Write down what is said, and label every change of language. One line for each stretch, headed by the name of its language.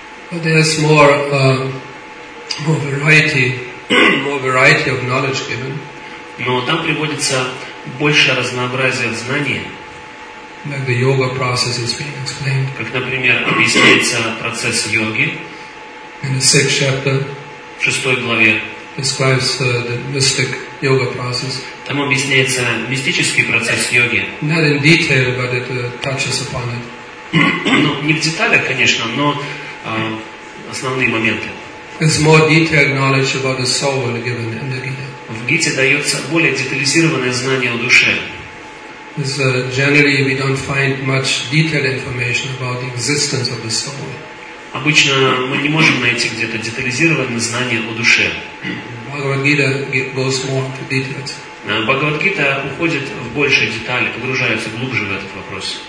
English: But there is more variety of knowledge given.
Russian: Но там приводится больше разнообразия знаний.
English: Like the yoga process is being explained.
Russian: Как, например, объясняется процесс йоги.
English: In the sixth chapter.
Russian: В шестой главе.
English: Describes the mystic yoga process.
Russian: Там объясняется мистический процесс йоги.
English: Not in detail, but it touches upon it.
Russian: Ну, не в деталях, конечно, но основные моменты.
English: There's more detailed knowledge about the soul given in the Gita.
Russian: В Гите дается более детализированное знание о душе.
English: Generally, we don't find much detailed information about the existence of the soul.
Russian: Обычно мы не можем найти где-то детализированное знание о душе.
English: Bhagavad Gita goes more into details.
Russian: Bhagavad Gita уходит в большие детали, погружается глубже в этот вопрос.